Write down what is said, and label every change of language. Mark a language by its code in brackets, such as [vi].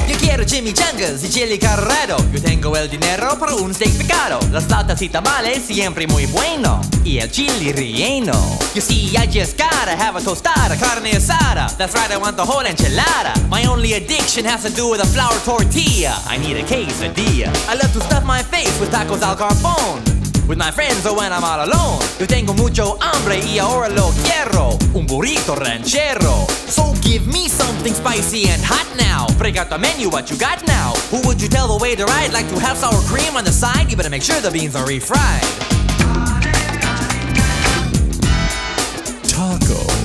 [es] Yo quiero Jimmy Changas y Chili Carrero. Yo tengo el dinero para un steak picado. Las latas y tamales siempre muy bueno. Y el chili relleno. [en] You see, I just gotta have a tostada, carne asada. That's right, I want the whole enchilada. My only addiction has to do with a flour tortilla. I need a quesadilla. I love to stuff my face with tacos al carbón. With my friends or when I'm all alone. [es] Yo tengo mucho hambre y ahora lo quiero. Un burrito ranchero. [en] So give me something spicy and hot now. Break out the menu, what you got now? Who would you tell the waiter I'd like to have sour cream on the side? You better make sure the beans are refried. [es] Taco.